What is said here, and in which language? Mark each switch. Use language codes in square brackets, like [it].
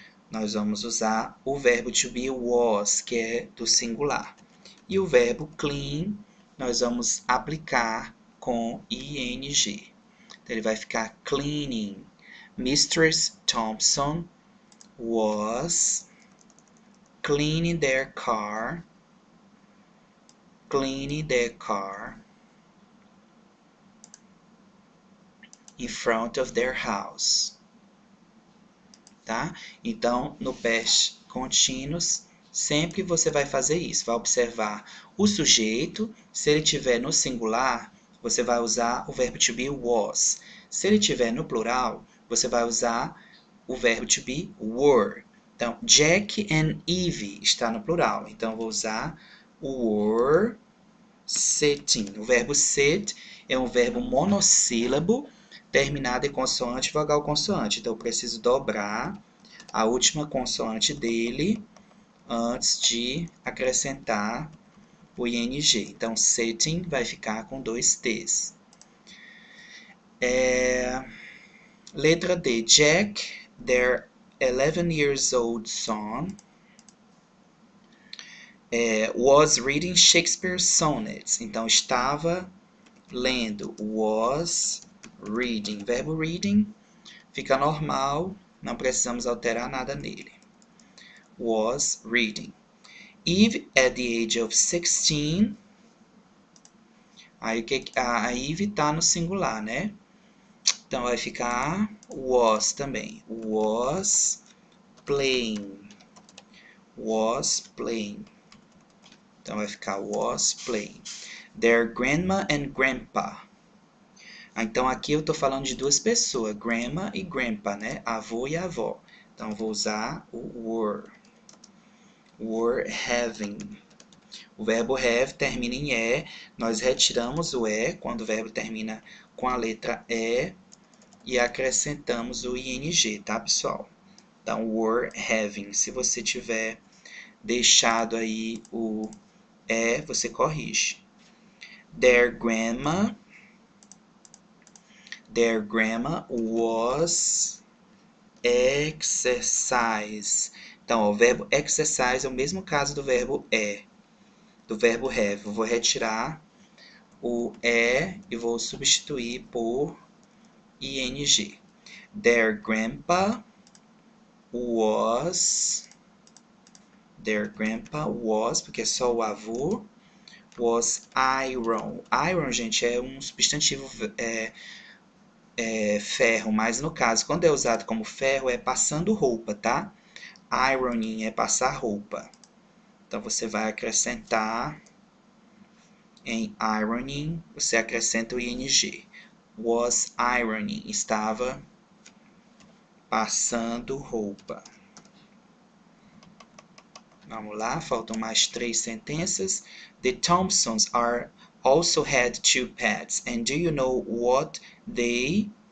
[pt] Nós vamos usar o verbo to be was, que é do singular. E o verbo clean, nós vamos aplicar com ing. Então, ele vai ficar cleaning. [en] Mistress Thompson was cleaning their car. Cleaning their car. In front of their house. Tá? [pt] Então, no past continuous, sempre você vai fazer isso. Vai observar o sujeito. Se ele tiver no singular, você vai usar o verbo to be was. Se ele tiver no plural, você vai usar o verbo to be were. Então, Jack and Eve está no plural. Então, vou usar [en] were sitting. [pt] O verbo sit é um verbo monossílabo, terminado em consoante, vogal consoante. Então, eu preciso dobrar a última consoante dele antes de acrescentar o ing. Então, sitting vai ficar com dois T's. Letra D. [en] Jack, their 11 years old son, was reading Shakespeare's sonnets. [pt] Então, estava lendo. [en] Was reading. [pt] Verbo reading fica normal. Não precisamos alterar nada nele. [en] Was reading. Eve at the age of 16. [pt] Aí a Eve tá no singular, né? Então vai ficar was também. [en] Was playing. Was playing. [pt] Então vai ficar [en] was playing. Their grandma and grandpa. [pt] Então, aqui eu estou falando de duas pessoas, grandma e grandpa, né? Avô e avó. Então, vou usar o were. [en] Were having. [pt] O verbo have termina em E. Nós retiramos o E quando o verbo termina com a letra E e acrescentamos o ing, tá, pessoal? Então, [en] were having. [pt] Se você tiver deixado aí o E, você corrige. [en] Their grandma. Their grandma was exercise. [pt] Então, ó, o verbo exercise é o mesmo caso do verbo have. Vou retirar o E e vou substituir por ING. Their grandpa was. [en] Their grandpa was, [pt] porque é só o avô, [en] was iron. [pt] Iron, gente, é um substantivo ferro, mas no caso, quando é usado como ferro, é passando roupa, tá? Ironing é passar roupa. Então você vai acrescentar em ironing, você acrescenta o ing. [en] Was ironing, [pt] estava passando roupa. Vamos lá, faltam mais três sentenças. [en] The Thompsons are also had two pets. And do you know what they?